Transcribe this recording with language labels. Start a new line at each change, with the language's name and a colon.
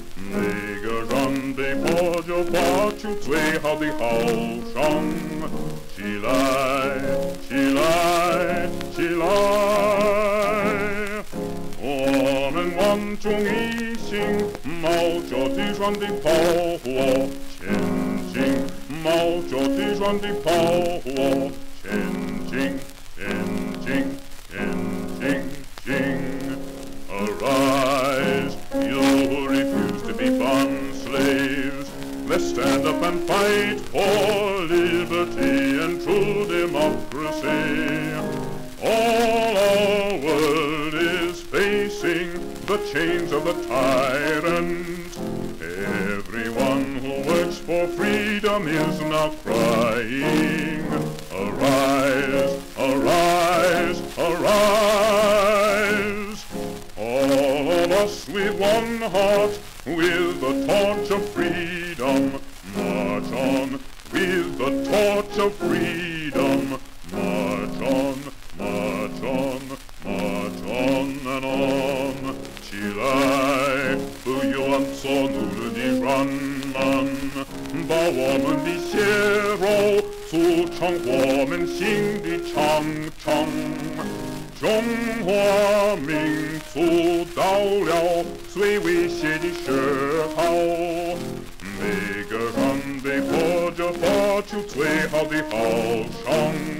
Chinese: 每个人被迫着发出最好的吼声，起来，起来，起来，我们万众一心，冒着敌人的炮火前进，冒着敌人的炮火前进，前进，前进，进。
English: Arise, you who refuse to be bond slaves, let's stand up and fight for liberty and true democracy. All our world is facing the chains of the tyrant. Everyone who works for freedom is now crying. Arise, arise, arise. All of us with one heart, with the torch of freedom, march on, with the torch of freedom, march on. March on, march on and on.
Chinese: 起来，不愿做奴隶的人们，把我们的血肉筑成我们新的长城。中华民族到了最危险的时候，每个人被迫着发出最好的吼声。